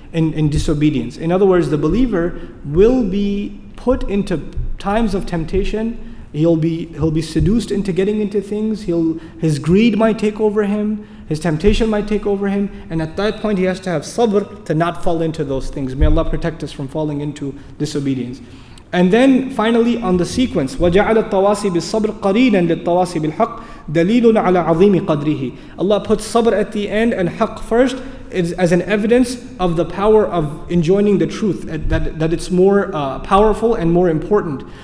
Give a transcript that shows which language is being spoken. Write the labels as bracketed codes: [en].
[en] In disobedience. In other words, the believer will be put into times of temptation. He'll be seduced into getting into things. His greed might take over him. His temptation might take over him. And at that point, he has to have sabr to not fall into those things. May Allah protect us from falling into disobedience. And then finally, on the sequence, [ar] وَجَعَلَ التَّوَاسِي بِالصَّبْرِ قَرِينًا لِلتَّوَاسِي بِالْحَقِّ دَلِيلٌ عَلَى عَظِيمِ قَدْرِهِ. [en] Allah puts sabr at the end and haqq first, is as an evidence of the power of enjoining the truth, that it's more powerful and more important.